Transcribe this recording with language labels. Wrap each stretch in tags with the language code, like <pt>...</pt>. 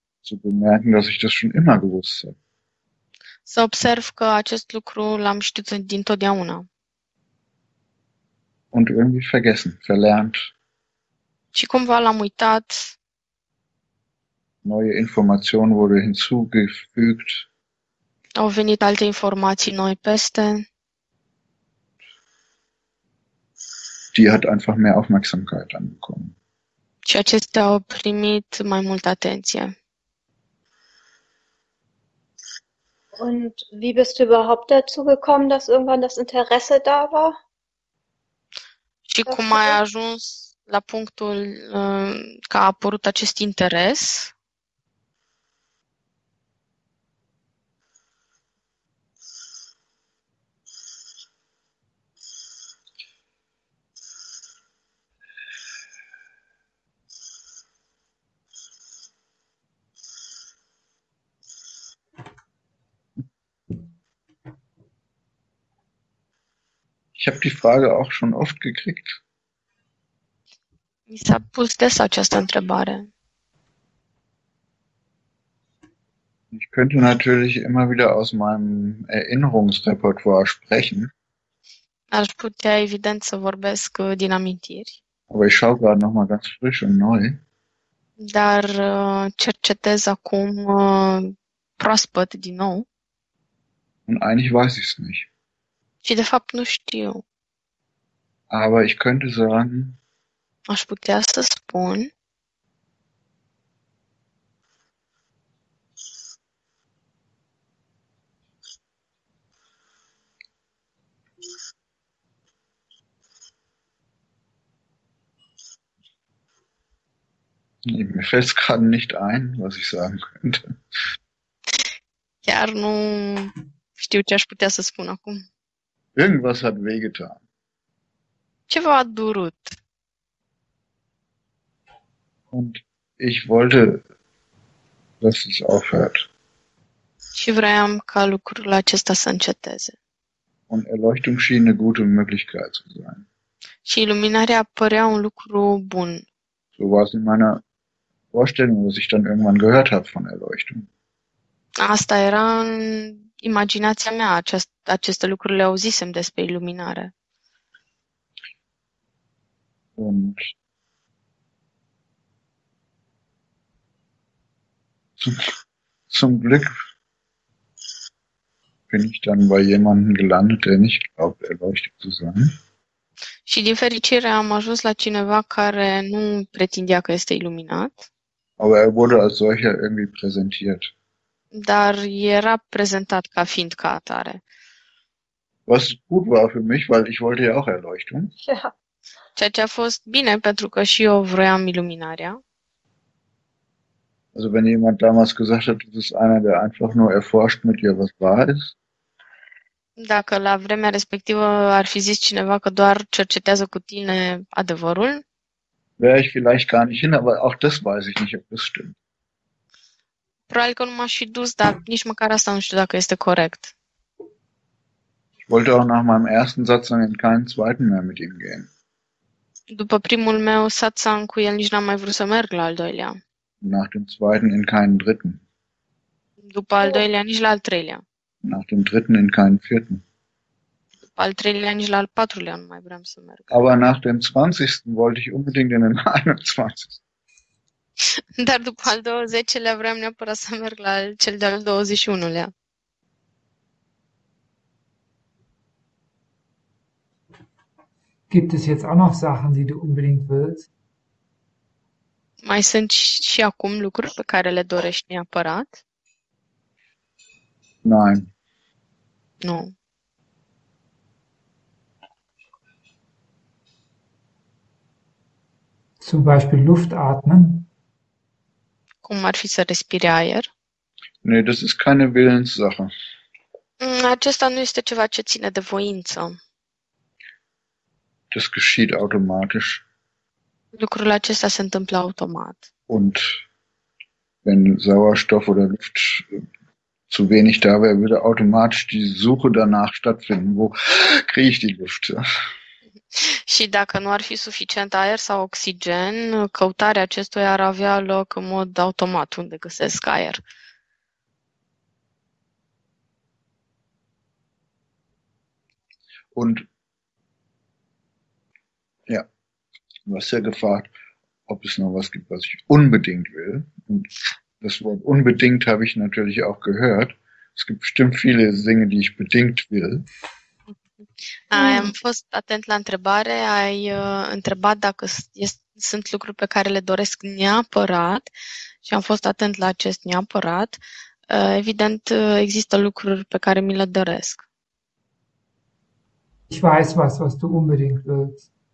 <de>Zu bemerken, dass ich das schon immer gewusst habe.</de> <ro>să observ că acest lucru l-am știut dintotdeauna.</ro> <de>Und irgendwie vergessen, verlernt.</de> <ro>Și cumva l-am uitat.</ro> <de>Neue Informationen wurde hinzugefügt.</de> <ro>Au venit alte informații noi peste.</ro> <de>Die hat einfach mehr Aufmerksamkeit dann bekommen.</de> <ro>Și acestea au primit mai multă atenție.</ro> <de>Und wie bist du überhaupt dazu gekommen, dass irgendwann das Interesse da war</de> <ro>Și cum ai</ro> <de>dafür?</de> <ro>ajuns la punctul că a apărut acest interes?</ro> <de>Ich habe die Frage auch schon oft gekriegt.</de> <ro>Mi s-a pus des această întrebare.</ro> <de>Ich könnte natürlich immer wieder aus meinem Erinnerungsrepertoire sprechen.</de> <ro>Aș putea, evident, să vorbesc din amintiri,</ro> <de>Aber ich schaue gerade noch mal ganz frisch und neu.</de> <ro>dar cercetez acum proaspăt din nou.</ro> <de>Und eigentlich weiß ich es nicht.</de> <ro>Și, de fapt, nu știu.</ro> <de>Aber ich könnte sagen,</de> <ro>Aș putea să spun.</ro> <de>mir fällt gerade nicht ein, was ich sagen könnte.</de> <ro>Chiar nu știu ce aș putea să spun acum.</ro> <de>Irgendwas hat wehgetan.</de> <ro>Ceva a durut.</ro> <de>Und ich wollte, dass es aufhört.</de> <ro>Și vroiam ca lucrul acesta să înceteze.</ro> <de>Und Erleuchtung schien eine gute Möglichkeit zu sein.</de> <ro>Și iluminarea părea un lucru bun.</ro> <de>So war es in meiner Vorstellung, was ich dann irgendwann gehört habe von Erleuchtung.</de> <ro>Asta era în imaginația mea, aceste lucruri le auzisem despre iluminare.</ro> <de>Und zum Glück bin ich dann bei jemandem gelandet, der nicht glaubt, erleuchtet zu sein.</de> <ro>Și din fericire am ajuns la cineva care nu pretindea că este iluminat,</ro> <de>Aber er wurde als solcher irgendwie präsentiert.</de> <ro>dar era prezentat ca fiind ca atare.</ro> <de>Was gut war für mich, weil ich wollte ja auch Erleuchtung. Ja.</de> <ro>Ceea ce a fost bine pentru că și eu vroiam iluminarea.</ro> <de>Also wenn jemand damals gesagt hat, das ist einer, der einfach nur erforscht mit dir, was wahr ist.</de> <ro>Dacă la vremea respectivă ar fi zis cineva că doar cercetează cu tine adevărul,</ro> <de>Wäre ich vielleicht gar nicht hin, aber auch das weiß ich nicht, ob das stimmt.</de> <ro>probabil că nu m-aș fi dus, dar nici măcar asta nu știu dacă este corect.</ro> <de>Ich wollte auch nach meinem ersten Satz dann in keinen zweiten mehr mit ihm gehen.</de> <ro>După primul meu satsang cu el, nici n-am mai vrut să merg la al doilea.</ro> <de>Nach dem zweiten in keinen dritten.</de> <ro>După al doilea, nici la al treilea.</ro> <de>Nach dem dritten in keinen vierten.</de> <ro>Al treilea, nici la al patrulea nu mai vreau să merg.</ro> <de>Aber nach dem 20. wollte ich unbedingt in den 21.</de> <ro>Dar după al 20-lea vreau neapărat să merg la cel de-al 21-lea.</ro> <de>Gibt es jetzt auch noch Sachen, die du unbedingt willst?</de> <ro>Mai sunt și acum lucruri pe care le dorești neapărat?</ro> <de>Nein.</de> <ro>Nu. No.</ro> <de>Zum Beispiel Luft atmen.</de> <ro>Cum ar fi să respire aer?</ro> <de>Nee, das ist keine Willenssache.</de> <ro>Acesta nu este ceva ce ține de voință.</ro> <de>Das geschieht automatisch.</de> <ro>Lucrul acesta se întâmplă automat.</ro> <de>Und wenn Sauerstoff oder Luft zu wenig da wäre, würde automatisch die Suche danach stattfinden. Wo kriege ich die Luft?</de> <ro>Și dacă nu ar fi suficient aer sau oxigen, căutarea acestuia ar avea loc în mod automat unde găsesc aer.</ro> <de>Und du hast ja gefragt, ob es noch was gibt, was ich unbedingt will. Und das Wort unbedingt habe ich natürlich auch gehört. Es gibt bestimmt viele Dinge, die ich bedingt will.</de> <ro>Am fost atent la întrebare. Ai întrebat dacă sunt lucruri pe care le doresc neapărat și am fost atent la acest neapărat. Evident, există lucruri pe care mi le doresc.</ro> <de>Ich weiß was, was du unbedingt willst.</de>